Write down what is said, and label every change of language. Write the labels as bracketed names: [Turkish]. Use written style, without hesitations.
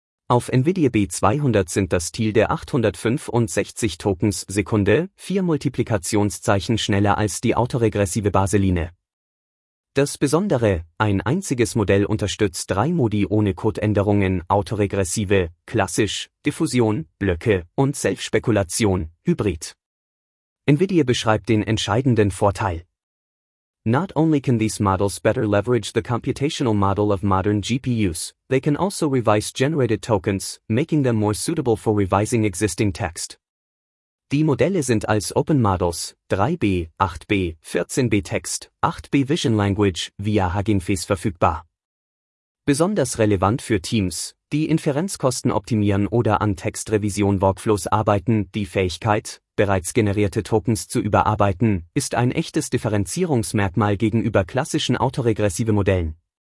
[German] Auf Nvidia B200 sind das Ziel der 865 Tokens Sekunde, 4 Multiplikationszeichen schneller als die autoregressive Baseline. Das Besondere, ein einziges Modell unterstützt 3 Modi ohne Codeänderungen, autoregressive, klassisch, Diffusion, Blöcke und Selbstspekulation, Hybrid. Nvidia beschreibt den entscheidenden Vorteil. [English] Not only can these models better leverage the computational model of modern GPUs, they can also revise generated tokens, making them more suitable for revising existing text. [German] Die Modelle sind als Open Models, 3B, 8B, 14B Text, 8B Vision Language, via Hugging Face verfügbar. Besonders relevant für Teams, die Inferenzkosten optimieren oder an Textrevision-Workflows arbeiten, die Fähigkeit, bereits generierte Tokens zu überarbeiten, ist ein echtes Differenzierungsmerkmal gegenüber klassischen autoregressive Modellen.